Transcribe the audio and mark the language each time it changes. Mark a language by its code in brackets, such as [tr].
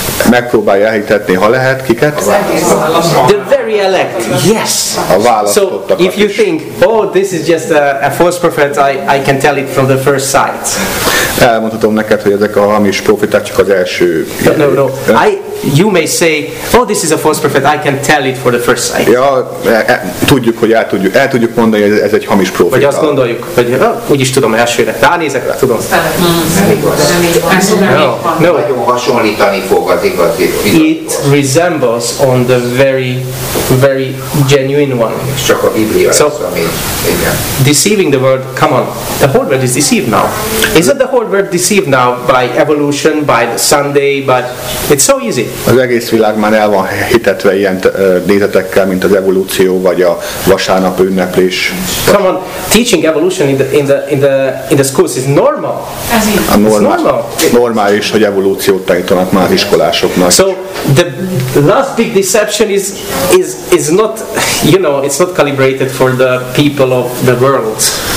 [hu] megpróbálja elhitetni, ha lehet, kiket? [en] The very elect, yes. [hu] A választottakat. [en] So if you think, oh, this is just a false prophet, I can tell it from the first sight. [hu] Elmondhatom neked, hogy ezek a hamis proféták csak az első. [en] No. You may say, oh, this is a false prophet, I can tell it for the first sight. [hu] Ja, tudjuk, hogy el tudjuk mondani, hogy ez egy hamis proféta. Vagy azt gondoljuk, hogy úgyis tudom elsőre. Ránézek rá, tudom. Nem igaz. Nagyon hasonlítani fog az igazit. [en] It it resembles on the very, very genuine one. [hu] Csak a Biblia ez, ami, igen. [en] Deceiving the world, come on, the whole world is deceived now. Isn't the whole world deceived now by evolution, by the Sunday, but it's so easy. [hu] Az egész világ már el van hitetve ilyen nézetekkel, mint az evolúció, vagy a vasárnap ünneplés. [en] Come on, teaching evolution in the schools is normal. [hu] Ez így. Normális, hogy evolúciót tanítanak már iskolásoknak. [en] So the last big deception is not, you know, it's not calibrated for the people of the world.